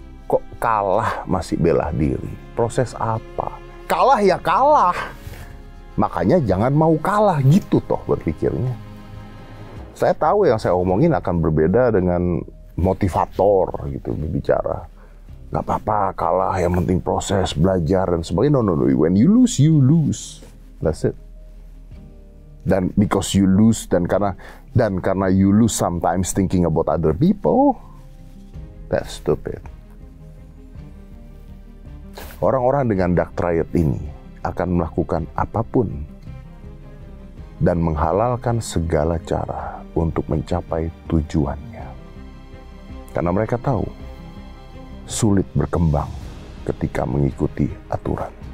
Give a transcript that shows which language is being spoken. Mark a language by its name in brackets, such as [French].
[Indonesian] Kok kalah masih bela diri? Proses apa? Kalah ya kalah. Makanya jangan mau kalah, gitu toh berpikirnya. Saya tahu yang saya omongin akan berbeda dengan motivator gitu berbicara. Gak apa-apa kalah, yang penting proses, belajar dan sebagainya. [English] No, no, no, when you lose, that's it. [Indonesian] Dan [English] because you lose, [Indonesian] dan karena [English] you lose sometimes thinking about other people, that's stupid. [Indonesian] Orang-orang dengan dark triad ini akan melakukan apapun dan menghalalkan segala cara untuk mencapai tujuannya. Karena mereka tahu sulit berkembang ketika mengikuti aturan.